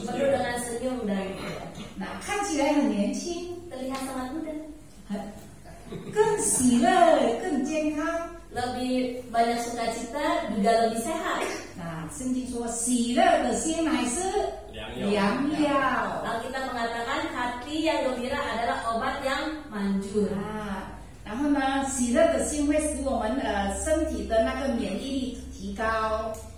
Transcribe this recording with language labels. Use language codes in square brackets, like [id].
[id] Penuh dengan senyum dan. [zh] Nah, 看起来很年轻。 [id] Terlihat sangat muda. [zh] 更喜乐，更健康。 [id] Lebih banyak sukacita juga lebih sehat. Nah, sendiri [zh] 说喜乐的心乃是良药。 [id] Alkitab mengatakan hati yang gembira adalah obat yang manjur. [zh] 然后呢，喜乐的心会使我们的身体的那个免疫力提高。